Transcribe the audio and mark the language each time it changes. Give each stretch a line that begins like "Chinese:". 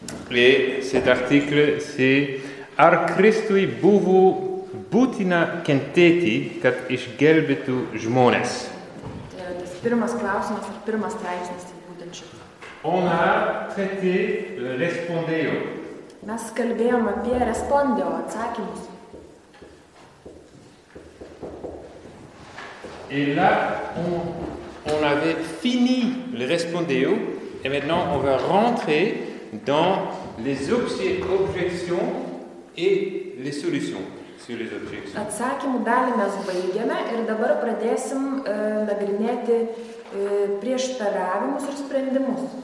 French: Et cet article, c'est
Lithuanian: Ar Christui buvo būtina kentėti, kad išgelbėtų žmones. Pirmas klausimas ar pirmas straipsnis būtent šis.
French: On a traité le respondeo.
Lithuanian: Mes kalbėjom apie respondeo atsakymus.
French: Et là, on avait fini le respondeo et maintenant on va rentrer dans les objections et les solutions.
Lithuanian: Atsakymų dalį mes baigėme ir dabar pradėsim nagrinėti prieštaravimus ir sprendimus.